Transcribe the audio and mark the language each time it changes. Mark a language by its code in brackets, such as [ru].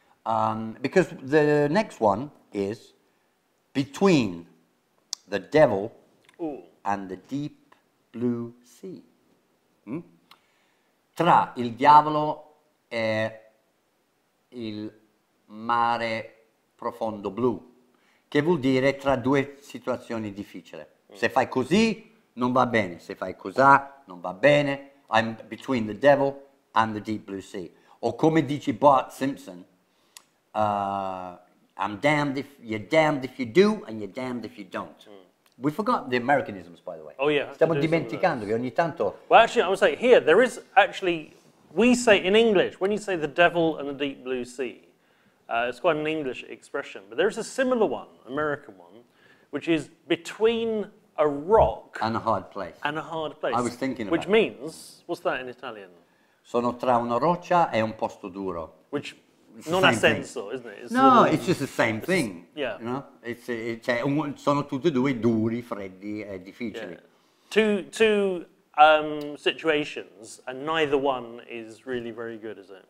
[en] Because the next one is between the devil and the deep blue sea. [it] Tra il diavolo e il mare profondo blu, che vuol dire tra due situazioni difficili. Se fai così, non va bene. Se fai così, non va bene. [en] I'm between the devil and the deep blue sea. [it] O come dice [en] Bart Simpson, you're damned if you do and you're damned if you don't. Mm. We forgot the Americanisms, by the way. Oh, yeah. [it] Stiamo dimenticando che ogni tanto... [en] Well, actually, I would say here, there is actually... We say in English, when you say the devil and the deep blue sea, it's quite an English expression, but there is a similar one, American one, which is between a rock and a hard place. And a hard place. I was thinking about Which means, what's that in Italian? [it] Sono tra una roccia e un posto duro. [en] Which, [it] non ha senso, [en] isn't it? No, it's just the same thing. Yeah. You know? [it] Sono tutti e due duri, freddi e difficili. [en] Yeah. Two situations, and neither one is really very good, is it?